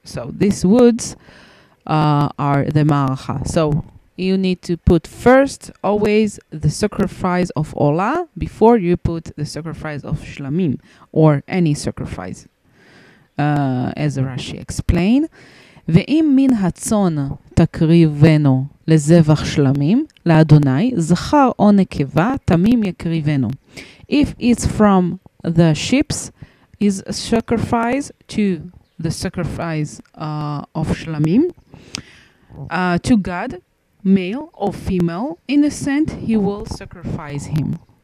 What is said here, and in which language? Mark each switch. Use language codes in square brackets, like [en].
[en] So these woods are the maracha. So you need to put first always the sacrifice of Ola before you put the sacrifice of Shlamim or any sacrifice, as Rashi explained. [he] ואם מן הצון תקריבנו לזבח שלמים, לאדוני, זכר או נקבה, תמים יקריבנו. [en] If it's from the sheep's is a sacrifice to the sacrifice of Shlamim, to God, male or female, innocent, he will sacrifice him.